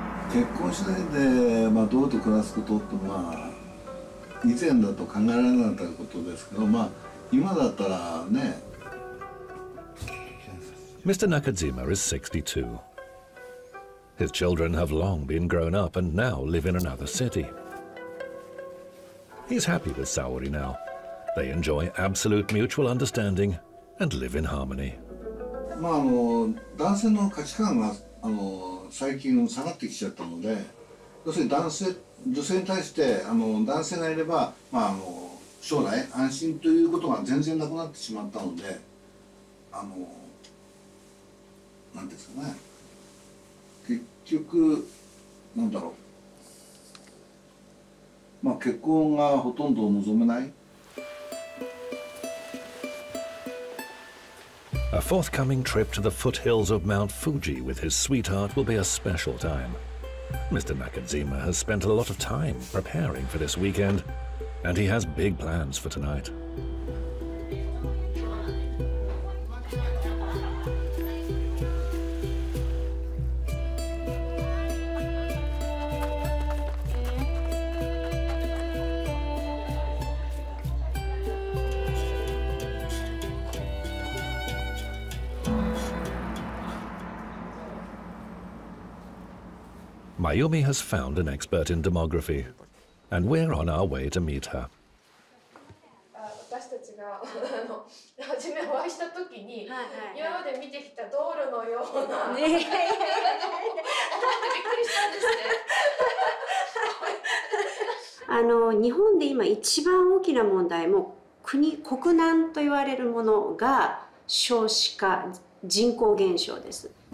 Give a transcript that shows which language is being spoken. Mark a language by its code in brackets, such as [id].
[ja] 結婚しないで、まあ、どうと暮らすことって、まあ、以前だと考えられなかったことですけど、まあ、今だったらね。 [en] Mr. Nakajima is 62. His children have long been grown up and now live in another city. He's happy with Saori now. They enjoy absolute mutual understanding and live in harmony. [ja] まあ、あの、男性の価値観が、あの、最近下がってきちゃったので、要するに男性、女性に対して、あの、男性がいれば、まあ、あの、将来安心ということが全然なくなってしまったので、あの、なんですかね、結局なんだろう、まあ、結婚がほとんど望めない。 [en] A forthcoming trip to the foothills of Mount Fuji with his sweetheart will be a special time. Mr. Nakajima has spent a lot of time preparing for this weekend and he has big plans for tonight. Mayumi has found an expert in demography, and we're on our way to meet her. [ja] 私たちが初めお会いした時に、今まで見てきた道路のような、ね、びっくりしたんですね。あの、日本で今一番大きな問題も、国難と言われるものが少子化、人口減少です。